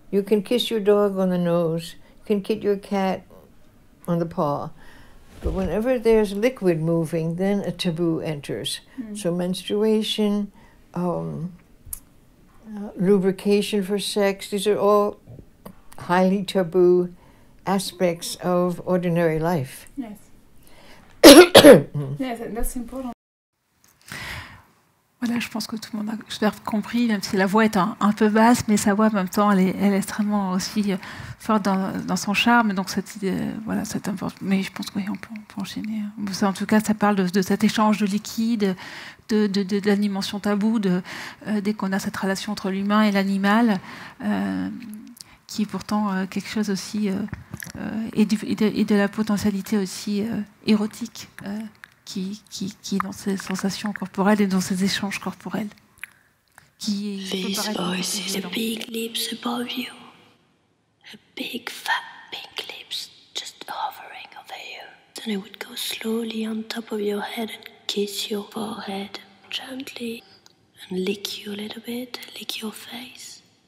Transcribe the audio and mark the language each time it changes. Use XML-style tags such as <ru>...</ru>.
<en>You can kiss your dog on the nose, you can kiss your cat on the paw, but whenever there's liquid moving, then a taboo enters. Mm. So menstruation, lubrication for sex. These are all highly taboo aspects of ordinary life. Yes. Yes, important.</en> <fr>Voilà, je pense que tout le monde a compris, même si la voix est un peu basse, mais sa voix en même temps, elle est extrêmement aussi forte dans son charme. Donc cette idée, voilà, c'est important. Mais je pense que oui, on peut enchaîner. Ça, en tout cas, ça parle de cet échange de liquide, de la dimension taboue, dès qu'on a cette relation entre l'humain et l'animal. Qui est pourtant quelque chose aussi, et de la potentialité aussi érotique qui dans ces sensations corporelles et dans ces échanges corporels.</fr> <en>This voice is a big lips above you. A big fat pink lips just hovering over you. Then it would go slowly on top of your head and kiss your forehead gently and lick you a little bit, lick your face.</en>